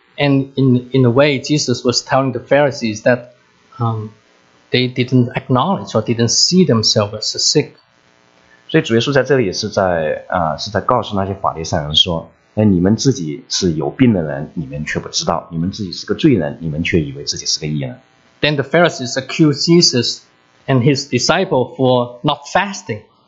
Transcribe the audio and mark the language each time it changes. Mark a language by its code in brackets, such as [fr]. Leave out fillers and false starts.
[en] And in a way, Jesus was telling the Pharisees that they didn't acknowledge or didn't see themselves as sick. [zh] 所以主耶稣在这里是在告诉那些法利赛人说，你们自己是有病的人，你们却不知道；你们自己是个罪人，你们却以为自己是个义人。 [en] Then the Pharisees accused Jesus and his disciple for not fasting.